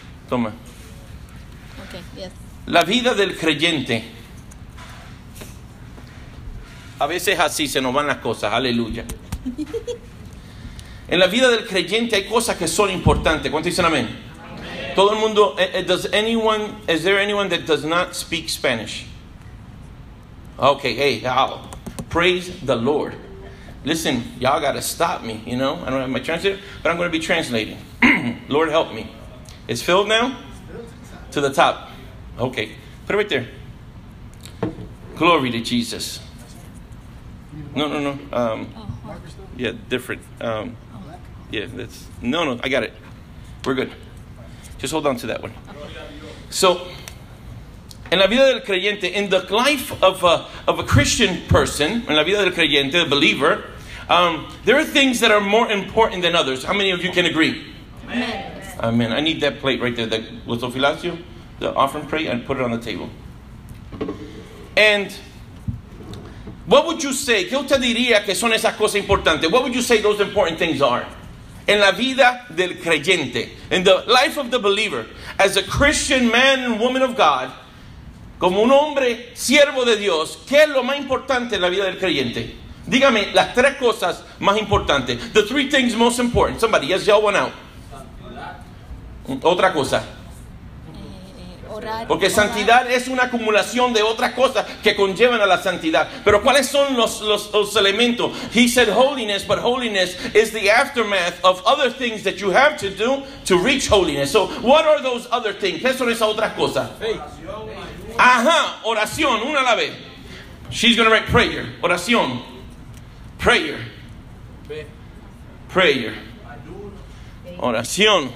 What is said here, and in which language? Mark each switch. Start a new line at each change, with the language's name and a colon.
Spanish: Toma. La vida del creyente. A veces así se nos van las cosas. Aleluya. En la vida del creyente hay cosas que son importantes. ¿Cuántos dicen amén? Todo el mundo.
English: Does anyone? Is there anyone that does not speak Spanish? Okay, hey, I'll praise the Lord. Listen, y'all gotta stop me. You know, I don't have my translator, but I'm gonna be translating. Lord, help me. It's filled now. To the top. Okay, put it right there. Glory to Jesus. No. Yeah, different. Yeah, that's no. I got it. We're good. Just hold on to that one. So,
Spanish: en la vida del creyente,
English: in the life of a Christian person, en la vida del creyente, the believer, there are things that are more important than others. How many of you can agree? Amen. Amen. I need that plate right there. That was Ophilacio, the offering plate, and put it on the table. And what would you say?
Spanish: ¿Qué usted diría que son esas cosas importantes?
English: What would you say those important things are?
Spanish: En la vida del creyente,
English: in the life of the believer, as a Christian man and woman of God,
Spanish: como un hombre siervo de Dios, ¿qué es lo más importante en la vida del creyente? Dígame las tres cosas más importantes.
English: The three things most important. Somebody, yes, y'all one out.
Spanish: Santidad. Otra cosa. Orar. Porque santidad es una acumulación de otras cosas que conllevan a la santidad. Pero ¿cuáles son los elementos?
English: He said holiness, but holiness is the aftermath of other things that you have to do to reach holiness. So, what are those other things?
Spanish: ¿Qué son esas otras cosas? Oración. Ajá, oración, una a la vez.
English: She's going to write prayer.
Spanish: Oración. Prayer. Prayer. Oración.